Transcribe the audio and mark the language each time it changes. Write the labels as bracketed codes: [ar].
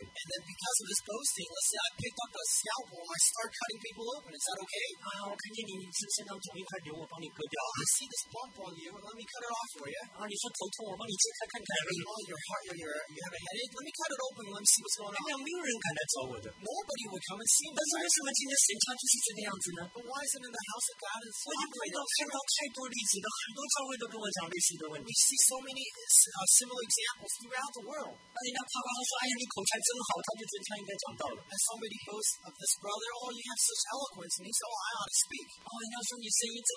[en] And then because of his boasting, let's say I picked up a scalpel and I start cutting people open. Is that okay? [zh] 啊，我看见你身上肿一块瘤，我帮你割掉。 [en] I see this bump on you. Let me cut it off for you. [zh] 啊，你说头痛，我帮你切开看看。 [en] Oh, your heart, you have a headache. Let me cut it open. Let me see what's going on. [zh] 没有人敢来找我的。 [en] Nobody would come and see me. [zh] 但是为什么今天神家就是这个样子呢？ [en] But why isn't it the house of God? [zh] 我就看到太多例子了，很多教会都跟我讲类似的问题。 [en] We see so many similar examples throughout the world. [zh] 那他说：“哎呀，你口才真好。”他就觉得他应该讲道了。 [en] And somebody goes of this brother, "Oh, you have such eloquence," and he said, "Oh, I ought to speak."